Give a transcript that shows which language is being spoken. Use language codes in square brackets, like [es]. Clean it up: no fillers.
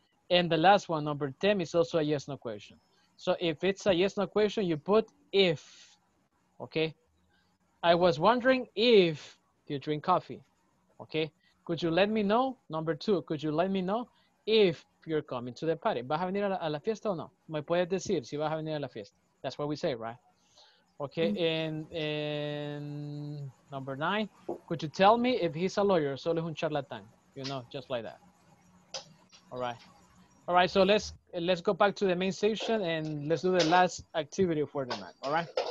[en] And the last one, number 10, is also a yes no question. So if it's a yes no question, you put if, okay? I was wondering if you drink coffee, okay? Could you let me know? Number two, could you let me know if you're coming to the party? [es] ¿Vas a venir a la fiesta o no? ¿Me puedes decir si vas a venir a la fiesta? [en] That's what we say, right? Okay, and number nine, could you tell me if he's a lawyer or [es] solo es un charlatán? [en] You know, just like that. All right, so let's go back to the main session and let's do the last activity for the night, all right?